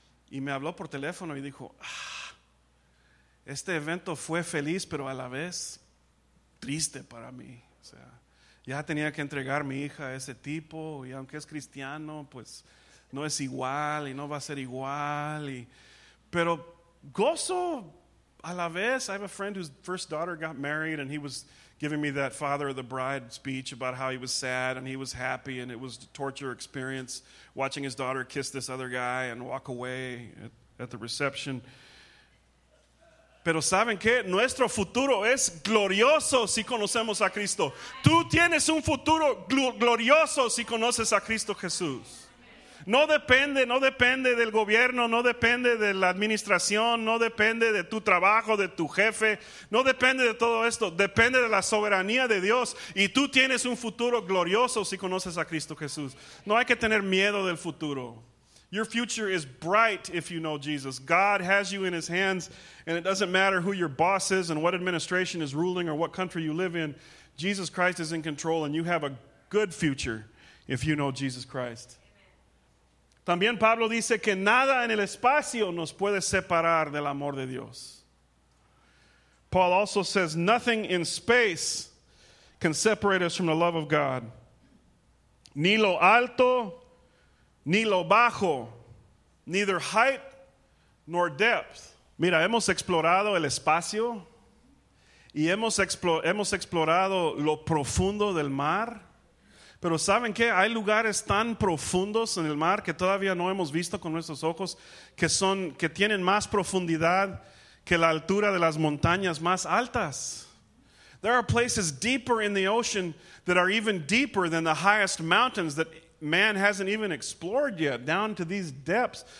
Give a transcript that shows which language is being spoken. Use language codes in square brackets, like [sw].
[es] Y me habló por teléfono y dijo, ah, este evento fue feliz, pero a la vez triste para mí. O sea, ya tenía que entregar mi hija a ese tipo y aunque es cristiano, pues no es igual y no va a ser igual. Y, pero gozo a la vez. [en] I have a friend whose first daughter got married and he was giving me that father of the bride speech about how he was sad and he was happy and it was a torture experience watching his daughter kiss this other guy and walk away at the reception. [es] Pero ¿saben qué? Nuestro futuro es glorioso si conocemos a Cristo. Tú tienes un futuro glorioso si conoces a Cristo Jesús. No depende, no depende del gobierno, no depende de la administración, no depende de tu trabajo, de tu jefe, no depende de todo esto, depende de la soberanía de Dios y tú tienes un futuro glorioso si conoces a Cristo Jesús. No hay que tener miedo del futuro. [en] Your future is bright if you know Jesus. God has you in his hands and it doesn't matter who your boss is and what administration is ruling or what country you live in. Jesus Christ is in control and you have a good future if you know Jesus Christ. [es] También Pablo dice que nada en el espacio nos puede separar del amor de Dios. [en] Paul also says nothing in space can separate us from the love of God. [es] Ni lo alto, ni lo bajo, [en] neither height nor depth. [es] Mira, hemos explorado el espacio y hemos explorado lo profundo del mar. Pero ¿saben qué? Hay lugares tan profundos en el mar que todavía no hemos visto con nuestros ojos, que tienen más profundidad que la altura de las montañas más altas. [en] There are places deeper in the ocean that are even deeper than the highest mountains that man hasn't even explored yet, down to these depths.